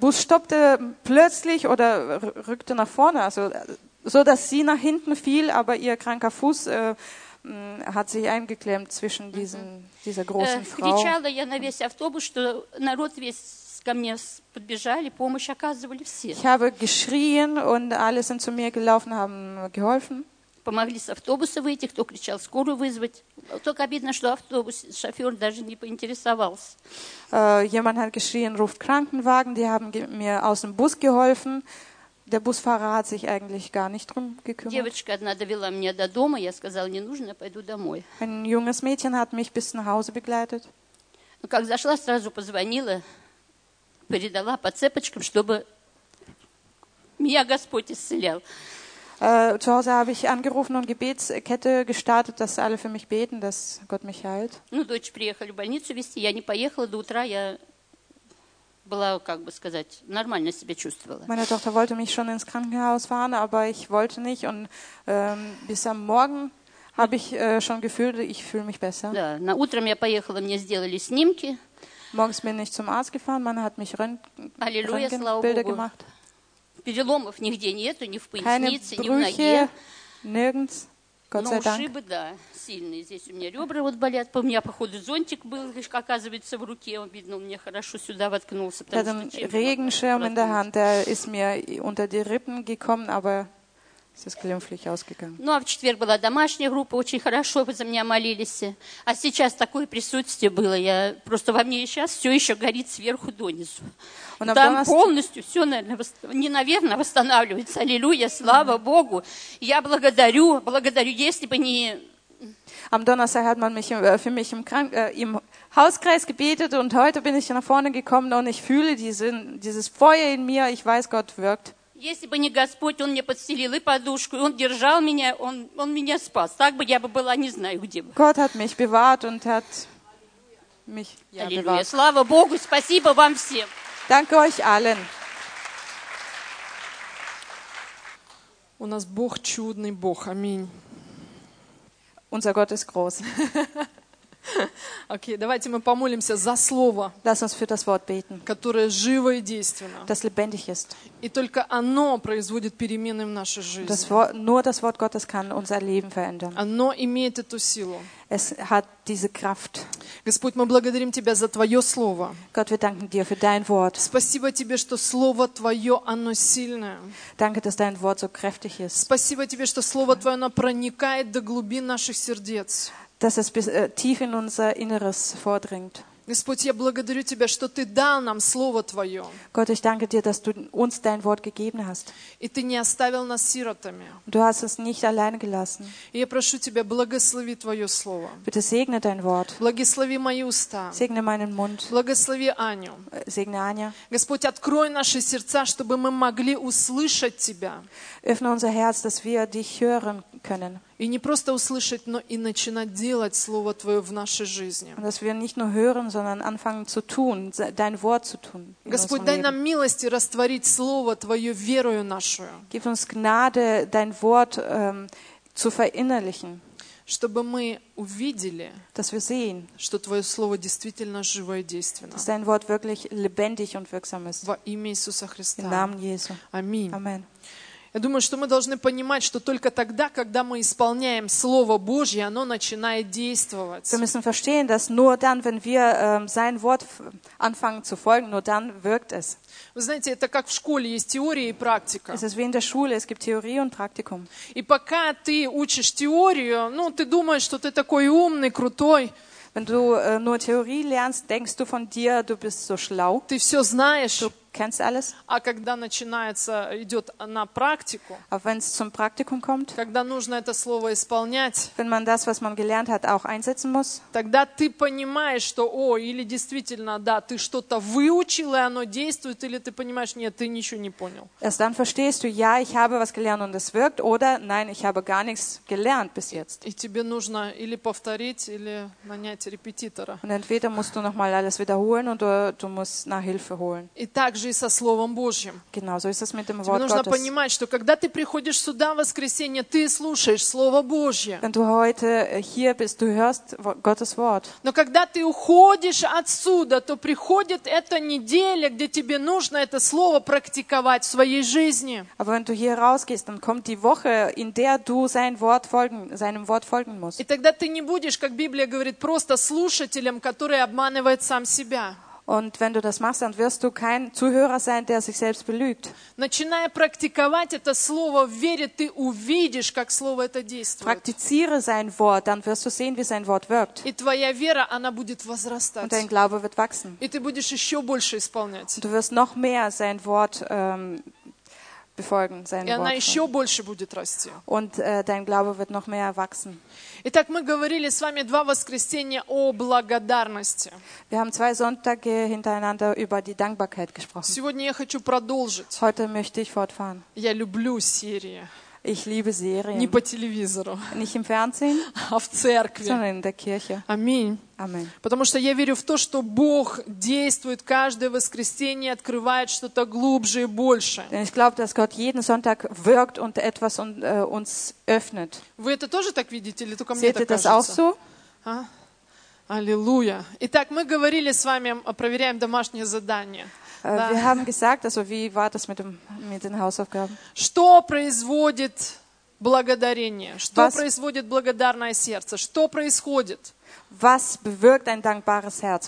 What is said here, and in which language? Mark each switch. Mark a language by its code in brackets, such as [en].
[de] Bus stoppte plötzlich oder rückte nach vorne, also so dass sie nach hinten fiel, aber ihr kranker Fuß hat sich eingeklemmt zwischen diesen dieser großen Frau. [ru] Кричала я на весь автобус, что народ весь ко мне подбежали, помощь оказывали все. [de] Ich habe geschrien und alle sind zu mir gelaufen, haben geholfen. [ru] Помогли с автобуса выйти, кто кричал, скорую вызвать. Только обидно, что автобус шофер даже не поинтересовался. [de] Jemand hat geschrien, ruft Krankenwagen, die haben mir aus dem Bus geholfen. Der Busfahrer hat sich eigentlich gar nicht drum gekümmert. [ru] Девочка одна довела меня до дома, я сказала, не нужно, пойду домой. [de] Ein junges Mädchen hat mich bis nach Hause begleitet. [ru] Ну, как зашла, сразу позвонила, передала по цепочкам, чтобы меня Господь исцелял. [de] Zu Hause habe ich angerufen und Gebetskette gestartet, dass alle für mich beten, dass Gott mich heilt. [ru] Ну, дочь приехали в больницу вести, я не поехала до утра, я была, как бы сказать, нормально себя чувствовала. [de] Meine Tochter wollte mich schon ins Krankenhaus fahren, aber ich wollte nicht und bis am Morgen habe ich schon gefühlt, ich fühle mich besser. [ru] Да, на утром я поехала, мне сделали снимки. [de] Morgens bin ich zum Arzt gefahren, man hat mich Röntgenbilder gemacht. [ru] Переломов нигде нету, ни в пояснице, ни в ноге. [de] Nirgends. Gott sei Dank. [ru] Ушибы, да, сильные. Здесь у меня ребра вот болят. У меня, походу, зонтик был, оказывается, в руке. Он, видно, у меня хорошо сюда воткнулся. Я там [de] Regenschirm in der Hand, der ist mir unter die Rippen gekommen, aber es ist glimpflich ausgegangen. [ru] Ну, а в четверг была домашняя группа, очень хорошо вы за меня молились. А сейчас такое присутствие было. Я просто во мне сейчас все еще горит сверху донизу. Там полностью все, наверное, восстанавливается. Аллилуйя, слава Богу. Я благодарю, если бы не... [de] Am Donnerstag hat man mich für mich im Hauskreis gebetet und heute bin ich nach vorne gekommen und ich fühle dieses Feuer in mir. Ich weiß, Gott wirkt. [ru] Если бы не Господь, Он мне подстелил и подушку, и Он держал меня, Он меня спас. Так бы я бы была, не знаю, где бы. [de] Gott hat mich bewahrt und hat mich ja, Аллилуйя, bewahrt. [ru] Слава Богу, спасибо вам всем. [de] Danke euch allen. [ru] У нас Бог чудный Бог. Аминь. [de] Unser Gott ist groß. [ru] Окей, давайте мы помолимся за слово. [de] Lass uns für das Wort beten. [ru] Которое живо и действенно. [de] Das lebendig ist. [ru] И только оно производит перемены в нашей жизни. [de] Nur das Wort Gottes kann unser Leben verändern. [ru] Оно имеет эту силу. [de] Es hat diese Kraft. [ru] Господь, мы благодарим Тебя за Твое Слово. [de] Gott, wir danken dir für dein Wort. [ru] Спасибо Тебе, что Слово Твое, оно сильное. [de] Danke, dass dein Wort so kräftig ist. [ru] Спасибо Тебе, что Слово Твое, оно проникает до глубин наших сердец. [de] Dass es bis, tief in unser Inneres vordringt. [ru] Господь, я благодарю Тебя, что Ты дал нам Слово Твое. [de] Gott, ich danke dir, dass du uns dein Wort gegeben hast. [ru] И Ты не оставил нас сиротами. [de] Du hast uns nicht allein gelassen. [ru] И я прошу Тебя, благослови Твое Слово. [de] Bitte segne dein Wort. [ru] Благослови мои уста. [de] Segne meinen Mund. [ru] Благослови Аню. [de] Segne Аня. [ru] Господь, открой наши сердца, чтобы мы могли услышать Тебя. [de] Öffne unser Herz, dass wir dich hören können. [ru] И не просто услышать, но и начинать делать Слово Твое в нашей жизни. [de] Dass wir nicht nur hören, sondern anfangen zu tun, dein Wort zu tun. [ru] Господь, дай нам милости растворить Слово Твое верою нашу. [de] Gib uns Gnade, dein Wort zu verinnerlichen. [ru] Чтобы мы увидели, [de] dass wir sehen, [ru] что Твое Слово действительно живо и действенно. [de] Dass dein Wort wirklich lebendig und wirksam ist. [ru] Во имя Иисуса Христа. [de] Im Namen Jesu. [ru] Аминь. Аминь. Я думаю, что мы должны понимать, что только тогда, когда мы исполняем Слово Божье, оно начинает действовать. [de] Wir müssen verstehen, dass nur dann, wenn wir sein Wort anfangen zu folgen, nur dann wirkt es. [ru] Вы знаете, это как в школе, есть теория и практика. [de] Es ist wie in der Schule, es gibt Theorie und Praktikum. [ru] И пока ты учишь теорию, ну, ты думаешь, что ты такой умный, крутой. [de] Wenn du nur Theorie lernst, denkst du von dir, du bist so schlau. [ru] Ты все знаешь. [de] Du kennst alles. [ru] А когда начинается, идет на практику. [de] А wenn es zum Praktikum kommt. [ru] Когда нужно это слово исполнять. [de] Wenn man das, was man gelernt hat, auch einsetzen muss. [ru] Тогда ты понимаешь, что, о, или действительно, да, ты что-то выучил, и оно действует, или ты понимаешь, нет, ты ничего не понял. [de] Erst dann verstehst du, ja, ich habe was gelernt und es wirkt, oder nein, ich habe gar nichts gelernt bis jetzt. [ru] И тебе нужно или повторить, или нанять репетитора. [de] Und entweder musst du nochmal alles wiederholen oder du musst nach Hilfe holen. [ru] И также и со Словом Божьим. [de] Genauso ist es mit dem Wort Gottes. [ru] Нужно понимать, что когда ты приходишь сюда в воскресенье, ты слушаешь Слово Божье. [de] Wenn du heute hier bist, du hörst Gottes Wort. [ru] Но когда ты уходишь отсюда, то приходит эта неделя, где тебе нужно это Слово практиковать в своей жизни. [de] Aber wenn du hier rausgehst, dann kommt die Woche, in der du seinem Wort folgen musst. [ru] И тогда ты не будешь, как Библия говорит, просто слушателем, который обманывает сам себя. [de] Und wenn du das machst, dann wirst du kein Zuhörer sein, der sich selbst belügt. [ru] Начиная практиковать это слово в вере, ты увидишь, как слово это действует. [de] Практизиere sein Wort, dann wirst du sehen, wie sein Wort wirkt. [ru] И твоя вера, она будет возрастать. [de] Und dein Glaube wird wachsen. [ru] И ты будешь еще больше исполнять. [de] Und du wirst noch mehr sein Wort befolgen, sein Wort. [ru] И она еще больше будет расти. [de] Und dein Glaube wird noch mehr wachsen. [ru] Итак, мы говорили с вами два воскресенья о благодарности. [de] Wir haben zwei Sonntage hintereinander über die Dankbarkeit gesprochen. [ru] Сегодня я хочу продолжить. [de] Heute möchte ich fortfahren. [ru] Я люблю серии. [de] Ich liebe Serien. [ru] Не по телевизору. [de] Nicht im Fernsehen, [ru] а в церкви. [de] Sondern in der Kirche. [ru] Аминь. [de] Amen. [ru] Потому что я верю в то, что Бог действует каждое воскресенье, открывает что-то глубже и больше. [de] Denn ich glaube, dass Gott jeden Sonntag wirkt und etwas uns öffnet. [ru] Вы это тоже так видите или только [de] Seht [ru] мне так [de] das [ru] кажется? [de] Auch so? [ru] А? Аллилуйя. Итак, мы говорили с вами, проверяем домашнее задание. [de] Wir haben gesagt, also wie war das mit den Hausaufgaben? [ru] Что производит благодарение? Что производит благодарное сердце? Что происходит? [de] Was bewirkt ein dankbares Herz?